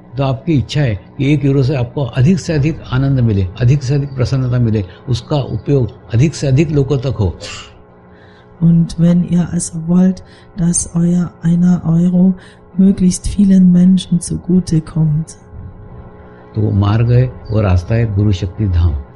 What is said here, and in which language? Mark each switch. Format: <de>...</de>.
<hi>तो आपकी इच्छा है कि एक यूरो से आपको अधिक से अधिक आनंद मिले, अधिक से अधिक प्रसन्नता मिले, उसका उपयोग अधिक से अधिक लोगों तक हो.</hi> <de>Und wenn ihr also wollt, dass euer einer Euro möglichst vielen Menschen zugute kommt,</de> <hi>तो मार्ग है वो रास्ता है गुरु शक्ति धाम.</hi>